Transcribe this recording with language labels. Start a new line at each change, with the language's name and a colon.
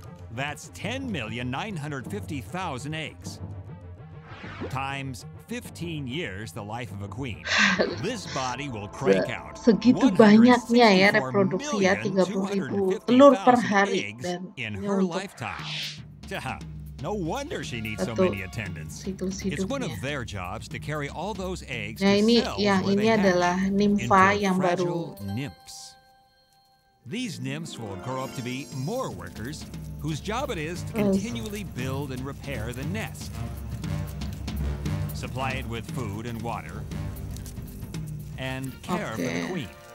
English: That's 10,950,000 eggs. Times 15 years the life of a queen. This body will crank out.
Indonesian: Segitu banyaknya ya reproduksi ya, 30,000 telur per hari dan
English: her lifetime. No wonder she needs so many attendants. It's one of their jobs to carry all those eggs.
Indonesian: Nah, ini ya, ini adalah nimfa yang baru.
English: These nymphs will grow up to be more workers whose job it is to continually build and repair the nest. Supply it with food and water and care for the queen.